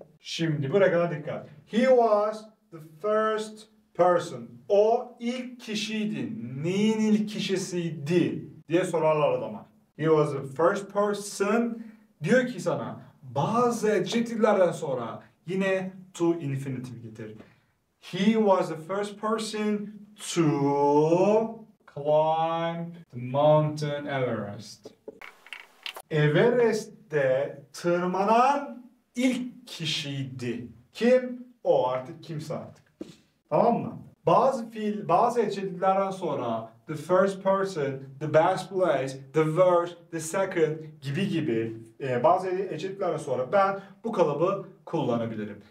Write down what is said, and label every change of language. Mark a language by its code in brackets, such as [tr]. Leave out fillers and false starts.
[tr] Şimdi buraya kadar dikkat. [en] He was the first person. [tr] O ilk kişiydi. Neyin ilk kişisiydi diye sorarlar adama. [en] He was the first person. [tr] Diyor ki sana bazı adjective'lerden sonra yine to infinitive getir. [en] He was the first person to climb the mountain Everest. [tr] Everest'te tırmanan ilk kişiydi. Kim? O artık kimse artık. Tamam mı? Bazı fiil, bazı adjective'lerden sonra [en] the first person, the best place, the worst, the second [tr] gibi gibi bazı adjective'lerden sonra ben bu kalıbı kullanabilirim.